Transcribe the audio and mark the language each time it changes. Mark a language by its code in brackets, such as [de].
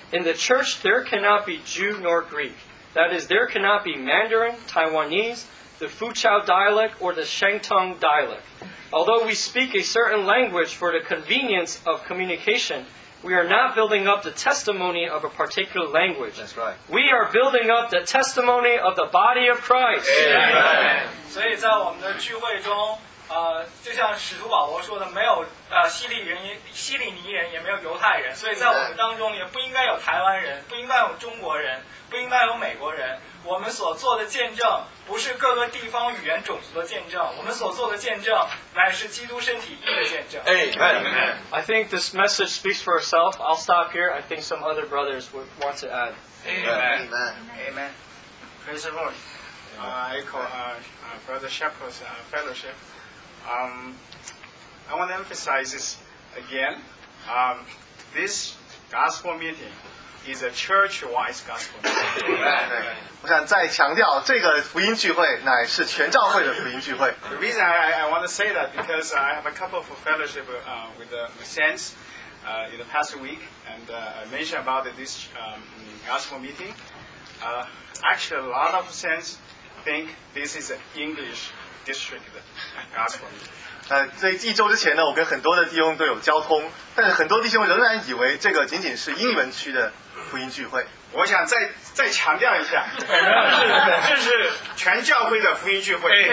[en] In the church, there cannot be Jew nor Greek. That is, there cannot be Mandarin, Taiwanese, the Fuchao dialect, or the Shantung dialect. Although we speak a certain language for the convenience of communication, we are not building up the testimony of a particular language. That's right. We are building up the testimony of the body of Christ. Amen. [zh] 所以在我们的聚会中，就像使徒保罗说的，没有希利尼人，也没有犹太人。所以在我们当中，也不应该有台湾人，不应该有中国人，不应该有美国人。我们所做的见证不是各个地方语言种族的见证，我们所做的见证乃是基督身体义的见证。 [en] Amen. I think this message speaks for itself. I'll stop here. I think some other brothers would want to add. Amen. Praise the Lord. I call Brother Shepherd's fellowship. I want to emphasize this again. This gospel meeting is a church-wise gospel meeting. [zh] 我想再强调，这个福音聚会乃是全教会的福音聚会。 [en] The reason I want to say that because I have a couple of fellowship with the saints in the past week, and I mentioned about this gospel meeting. Actually, a lot of saints think this is an English district gospel meeting. [zh] 所以一周之前呢，我跟很多的弟兄都有交通，但是很多弟兄仍然以为这个仅仅是英文区的福音聚会。我想再强调一下，这是全教会的福音聚会。